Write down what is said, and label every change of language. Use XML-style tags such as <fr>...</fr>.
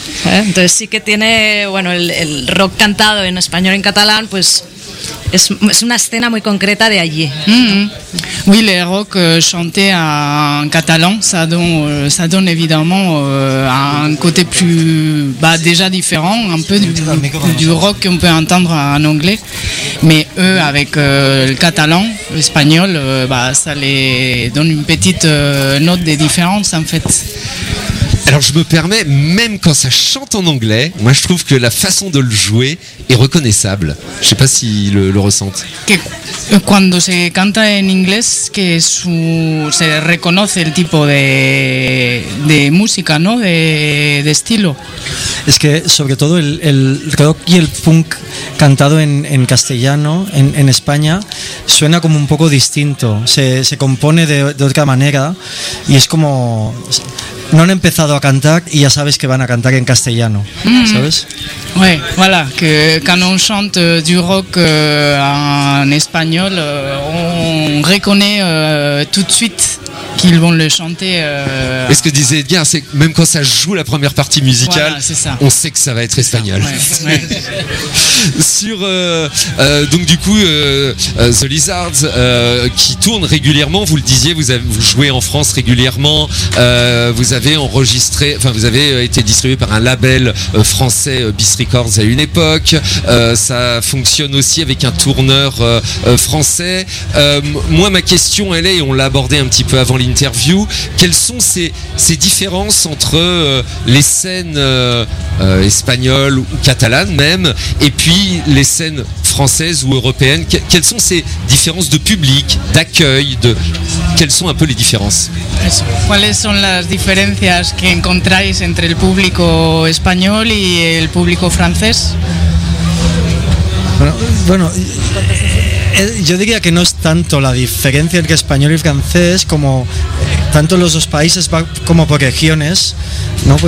<es>Entonces sí que tiene, bueno, el rock cantado en español y en catalán, pues es una escena muy concreta de allí.</es> <fr>Oui, le rock chanté en catalan, ça donne évidemment un côté plus, bah, déjà différent, un peu du rock qu'on peut entendre en anglais. Mais eux, avec le catalan, l'espagnol, bah, ça les donne une petite note de différence, en fait. Alors je me permets, même quand ça chante en anglais, moi je trouve que la façon de le jouer est reconnaissable. Je sais pas si le ressentent.</fr> <es>Que cuando se canta en inglés, que se reconoce el tipo de música, ¿no? De estilo. Es que sobre todo el rock y el punk cantado en castellano en España suena como un poco distinto. Se compone de otra manera y es como, no han empezado a cantar y ya sabes que van a cantar en castellano, ¿sabes?</es> <fr>Oui, voilà, que quand on chante du rock en español, on reconnaît tout de suite qu'ils vont le chanter. Et ce que disait Edgar, c'est que même quand ça joue la première partie musicale, voilà, on sait que ça va être espagnol. Ouais. Sur donc du coup The Lizards qui tourne régulièrement, vous le disiez, vous jouez en France régulièrement, vous avez été distribué par un label français, Bis Records, à une époque. Ça fonctionne aussi avec un tourneur français. Moi, ma question, elle est, et on l'a abordé un petit peu avant l'interview, quelles sont ces différences entre les scènes espagnoles ou catalanes même, et puis les scènes françaises ou européennes? Quelles sont ces différences de public, d'accueil, quelles sont un peu les différences? Quelles sont les différences</fr> <es>que encontráis entre el público español y el público francés? Bueno, yo diría que no es tanto la diferencia entre español y francés como tanto los dos países como por regiones, ¿no?</es>